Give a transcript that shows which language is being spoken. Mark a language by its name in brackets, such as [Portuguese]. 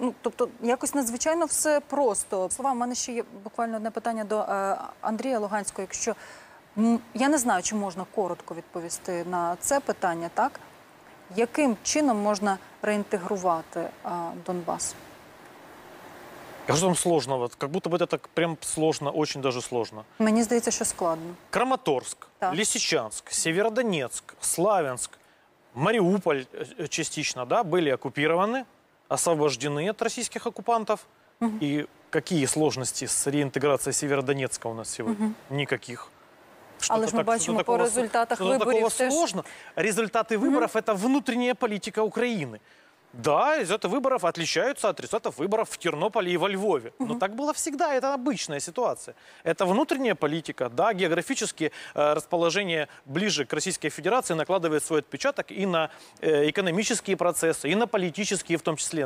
[Ukrainian] Ну, тобто, якось надзвичайно все просто. Слова, в мене ще є буквально одне питання до Андрія Луганського. Якщо, я не знаю, чи можна коротко відповісти на це питання, так? Яким чином можна реінтегрувати Донбас? Я кажу, там сложного. [Russian] Как будто бы это так прям сложно, очень даже сложно. [Ukrainian] Мені здається, що складно. Краматорськ, Лисичанськ, Сєвєродонецьк, Славянськ, Маріуполь частично, да, були окуповані, освобождені від російських окупантів. І які сложності з реінтеграцією Сєвєродонецька у нас сьогодні? Ніяких. Але ж ми бачимо по результатах виборів теж. [Russian] Сложно. [Ukrainian] Результати виборів – це внутрішня політика України. [Russian] Да, результаты выборов отличаются от результатов выборов в Тернополе и во Львове. Но так было всегда, это обычная ситуация. Это внутренняя политика, да, географически расположение ближе к Российской Федерации накладывает свой отпечаток и на экономические процессы, и на политические в том числе.